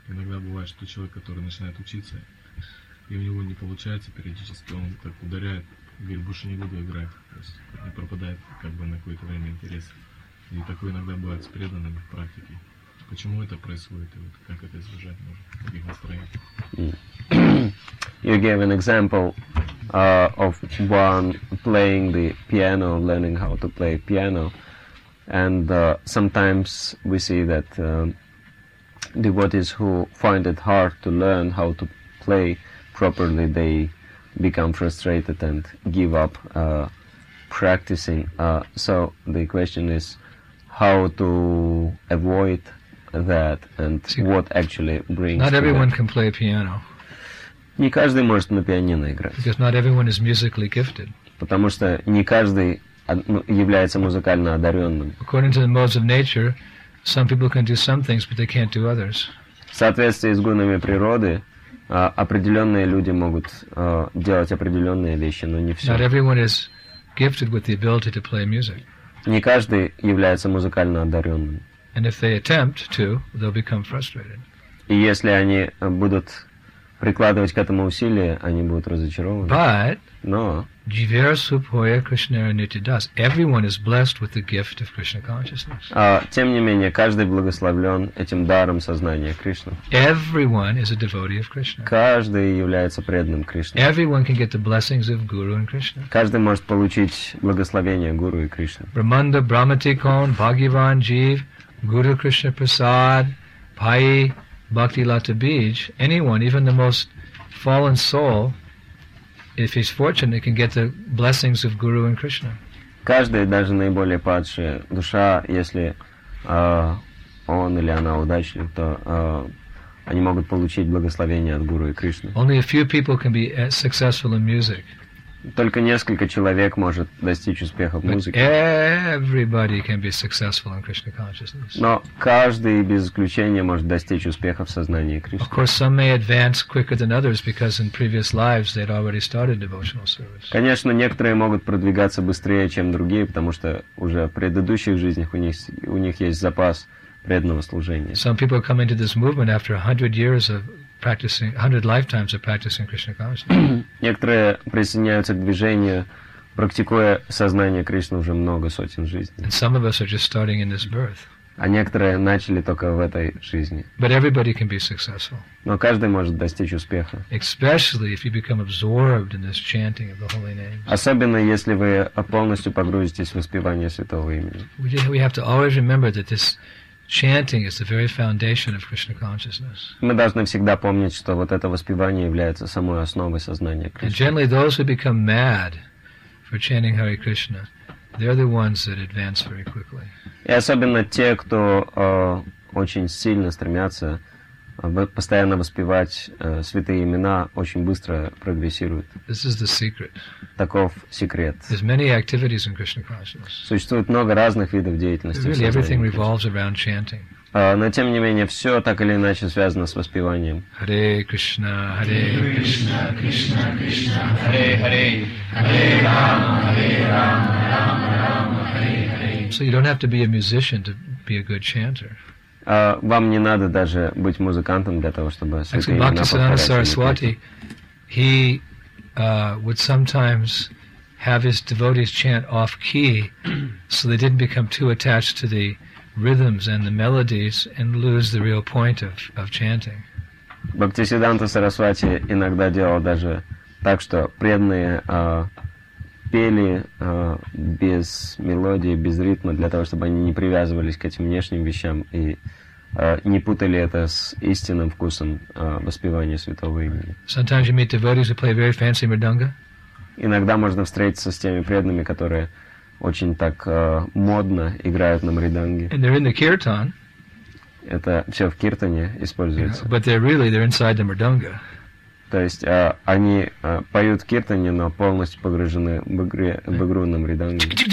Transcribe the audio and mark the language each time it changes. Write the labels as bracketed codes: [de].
[ru] Иногда бывает, что человек, который начинает учиться, и у него не получается периодически, он так ударяет, говорит, больше не буду играть. То есть не пропадает как бы на какое-то время интерес. И такое иногда бывает с преданными в практике. Почему это происходит и вот как это избежать может в таких настроениях? [en] You gave an example of one playing the piano, learning how to play piano. And sometimes we see that devotees who find it hard to learn how to play properly, they become frustrated and give up practicing. So the question is how to avoid that and see, what actually brings not to everyone that. Can play piano. [ru] Не каждый может на пианино играть. [en] Because not everyone is musically gifted. [ru] Потому что не каждый является музыкально одаренным. [en] According to the modes of nature, some people can do some things, but they can't do others. [ru] В соответствии с гунами природы, определенные люди могут делать определенные вещи, но не все. [en] Not everyone is gifted with the ability to play music. [ru] Не каждый является музыкально одаренным. [en] And if they attempt to, they'll become frustrated. [ru] И если они будут прикладывать к этому усилия, они будут разочарованы. [en] But [ru] но Jivarasupoya Krishna Nityadas. [en] Everyone is blessed with the gift of Krishna consciousness. [ru] Тем не менее, каждый благословлен этим даром сознания Кришны. [en] Everyone is a devotee of Krishna. [ru] Каждый является преданным Кришне. [en] Everyone can get the blessings of Guru and Krishna. [ru] Каждый может получить благословение Гуру и Кришны. Брахманда, Брахматикон, Бхагиван, Джив, Гуру Кришна Прасад, Пай, Бхакти Лата Бидж. [en] Anyone, even the most fallen soul, if he's fortunate, can get the blessings of Guru and Krishna. [ru] Каждая, даже наиболее падшая душа, если он или она удачлив, то они могут получить благословение от Гуру и Кришны. [en] Only a few people can be successful in music. [ru] Только несколько человек может достичь успеха в музыке. [en] Everybody can be successful in Krishna consciousness. [ru] Но каждый без исключения может достичь успеха в сознании Кришны. [en] Of course, some may advance quicker than others because in previous lives they'd already started devotional service. [ru] Конечно, некоторые могут продвигаться быстрее, чем другие, потому что уже в предыдущих жизнях у них есть запас преданного служения. [en] Some people come into this movement after 100 years of practicing, 100 lifetimes of practicing Krishna consciousness. [ru] Некоторые присоединяются к движению, практикуя сознание Кришны уже много сотен жизней. [en] And some of us are just starting in this birth. [ru] А некоторые начали только в этой жизни. [en] But everybody can be successful. [ru] Но каждый может достичь успеха. [en] Especially if you become absorbed in this chanting of the holy names. [ru] Особенно если вы полностью погрузитесь в воспевание святого имени. [en] We have to always remember that this chanting is the very foundation of Krishna consciousness. [ru] Мы должны всегда помнить, что вот это воспевание является самой основой сознания Кришны. [en] And generally, those who become mad for chanting Hare Krishna, they're the ones that advance very quickly. [ru] И особенно те, кто очень сильно стремятся постоянно воспевать святые имена, очень быстро прогрессируют. [en] This is the secret. [ru] Таков секрет. [en] There's many activities in Krishna consciousness. [ru] Существует много разных видов деятельности. [en] Really, everything revolves around chanting. [ru] Но тем не менее, все так или иначе связано с воспеванием. [sa] Hare Krishna, Hare Krishna, Krishna Krishna, Hare Hare, Hare Rama, Hare Rama, Rama Rama, Hare Hare. [en] So you don't have to be a musician to be a good chanter. [ru] Вам не надо даже быть музыкантом для того, чтобы святые имена повторять. [en] Bhaktisiddhanta Saraswati, he would sometimes have his devotees chant off key, so they didn't become too attached to the rhythms and the melodies and lose the real point of chanting. [ru] Bhaktisiddhanta Saraswati иногда делал даже так, что преданные пели без мелодии, без ритма, для того, чтобы они не привязывались к этим внешним вещам и не путали это с истинным вкусом воспевания святого имени. [en] Sometimes you meet devotees who play very fancy mridanga. [ru] Иногда можно встретиться с теми преданными, которые очень так модно играют на мриданге. [en] And they're in the kirtan. [ru] Это все в киртане используется. [en] But they're inside the mridanga. [ru] То есть они поют киртане, но полностью погружены в игру на мриданге.